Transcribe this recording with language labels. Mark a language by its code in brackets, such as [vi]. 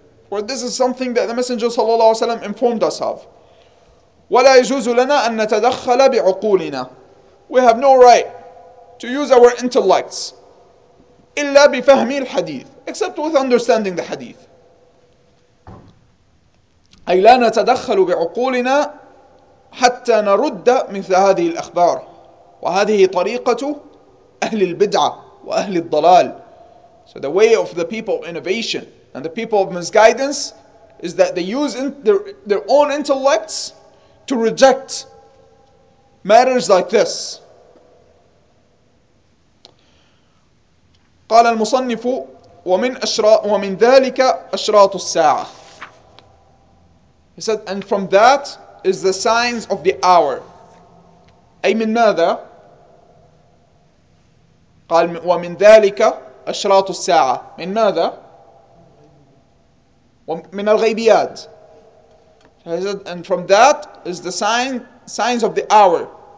[en] For this is something that the Messenger sallallahu alaihi wasallam informed us of. [ar] وَلَا يَجُوزُ لَنَا أَن نَتَدَخَّلَ بِعُقُولِنَا. [en] We have no right to use our intellects [ar] إِلَّا بِفَهْمِ الْحَدِيثِ, [en] except with understanding the hadith. [ar] أَيْ لَا نَتَدَخَّلُ بِعُقُولِنَا حتى نرد مثل هذه الأخبار. وهذه طريقة أهل البدعة وأهل الضلال. [en] So the way of the people of innovation and the people of misguidance is that they use their own intellects to reject matters like this. [ar] قال المصنف ومن ذلك أشراط الساعة. [en] He said, and from that is the signs of the hour. [ar] أي من ماذا؟ قال ومن ذلك أشراط الساعة. من ماذا؟ من الغيبيات. [en] He said, and from that is the signs of the hour.